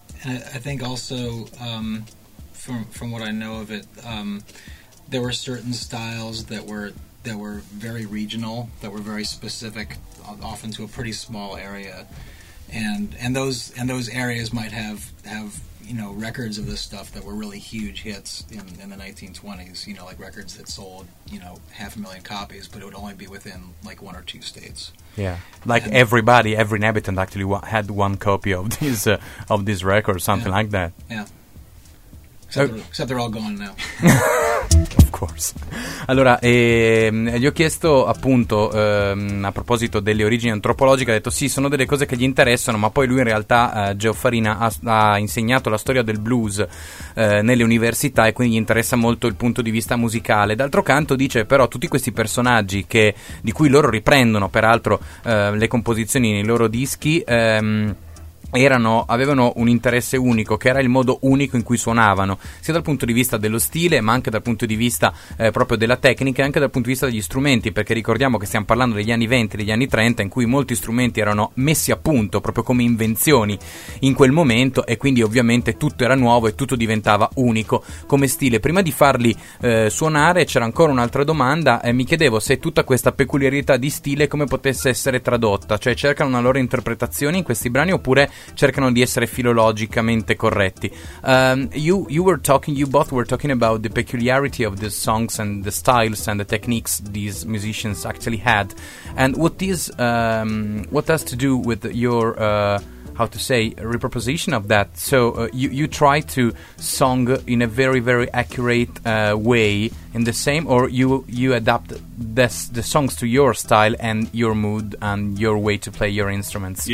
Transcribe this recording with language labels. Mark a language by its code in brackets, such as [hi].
[en] and I think also from what I know of it, there were certain styles that were very regional, that were very specific, often to a pretty small area, and those areas might have you know, records of this stuff that were really huge hits in the 1920s, you know, like records that sold, you know, 500,000 copies, but it would only be within like one or two states. Yeah, like, and everybody, every inhabitant actually had one copy of this of this record, something like that. Yeah. Except they're all gone now. Of course. [it] Allora, gli ho chiesto appunto a proposito delle origini antropologiche, ha detto sì, sono delle cose che gli interessano, ma poi lui in realtà, Geo Farina, ha insegnato la storia del blues nelle università e quindi gli interessa molto il punto di vista musicale. D'altro canto dice però tutti questi personaggi di cui loro riprendono peraltro le composizioni nei loro dischi, avevano un interesse unico, che era il modo unico in cui suonavano, sia dal punto di vista dello stile, ma anche dal punto di vista proprio della tecnica, e anche dal punto di vista degli strumenti, perché ricordiamo che stiamo parlando degli anni 20, degli anni 30, in cui molti strumenti erano messi a punto proprio come invenzioni in quel momento, e quindi ovviamente tutto era nuovo e tutto diventava unico come stile. Prima di farli suonare c'era ancora un'altra domanda, e mi chiedevo se tutta questa peculiarità di stile come potesse essere tradotta, cioè cercano una loro interpretazione in questi brani oppure cercano di essere philologicamente corretti. [en] You both were talking about the peculiarity of the songs and the styles and the techniques these musicians actually had, and what has to do with your reproposition of that. So you try to song in a very very accurate way in the same, or you adapt the songs to your style and your mood and your way to play your instruments?